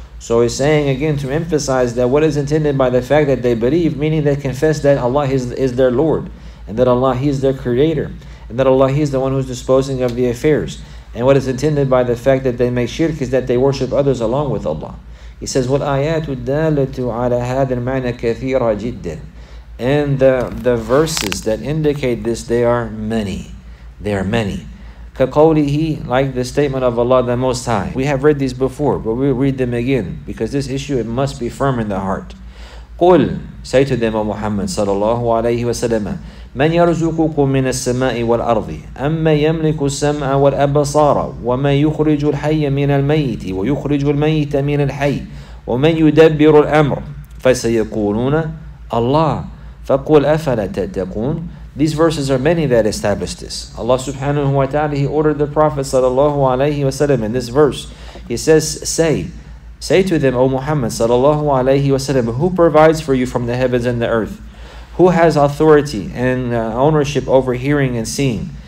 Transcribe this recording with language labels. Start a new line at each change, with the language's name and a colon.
English: So he's saying again to emphasize that what is intended by the fact that they believe, meaning they confess that Allah is their Lord, and that Allah, He is their Creator, and that Allah, He is the one who is disposing of the affairs. And what is intended by the fact that they make shirk is that they worship others along with Allah. He says,
Arabic: وَالْآيَاتُ الدَّالَّةُ عَلَى هَذَا الْمَعْنَى كَثِيرًا جِدًّا.
English: And the verses that indicate this, they are many. They are many.
Arabic: كَقَوْلِهِ,
English: like the statement of Allah the Most High. We have read these before, but we'll read them again, because this issue, it must be firm in the heart.
Arabic: قُلْ,
English: say to them, O Muhammad
Arabic: صلى الله عليه وسلم, مَنْ يَرْزُقُكُمْ مِنَ السَّمَاءِ وَالْأَرْضِ أَمَّا يَمْلِكُ السَّمْعَ وَالْأَبْصَارَ وَمَنْ يُخْرِجُ الْحَيَّ مِنَ الْمَيِّتِ وَيُخْرِجُ الْمَيِّتَ مِنَ الْحَيِّ وَمَنْ يُدَبِّرُ الْأَمْرَ فَسَيَقُولُونَ اللَّهُ فَقُلْ أَفَلَا تَتَّقُونَ.
English: These verses are many that establish this. Allah subhanahu wa ta'ala, He ordered the Prophet sallallahu alayhi wa sallam in this verse. He says, say to them, O Muhammad sallallahu alayhi wa sallam, who provides for you from the heavens and the earth? Who has authority and ownership over hearing and seeing?